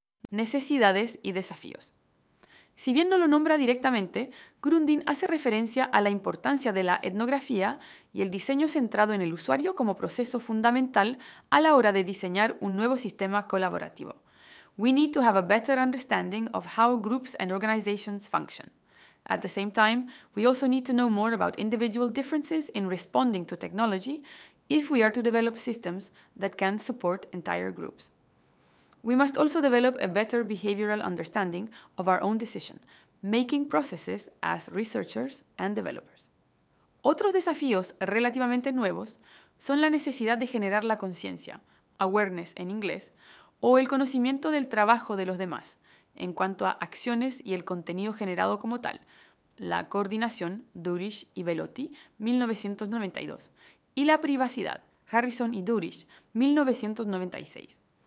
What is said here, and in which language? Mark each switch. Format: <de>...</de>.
<es>Necesidades y desafíos. Si bien no lo nombra directamente, Gruden hace referencia a la importancia de la etnografía y el diseño centrado en el usuario como proceso fundamental a la hora de diseñar un nuevo sistema colaborativo.</es> <en>We need to have a better understanding of how groups and organizations function. At the same time, we also need to know more about individual differences in responding to technology if we are to develop systems that can support entire groups. We must also develop a better behavioral understanding of our own decision-making processes as researchers and developers.</en> <es>Otros desafíos relativamente nuevos son la necesidad de generar la conciencia, awareness en inglés, o el conocimiento del trabajo de los demás, en cuanto a acciones y el contenido generado como tal, la coordinación, Dourish y Velotti, 1992, y la privacidad, Harrison y Dourish, 1996.</es>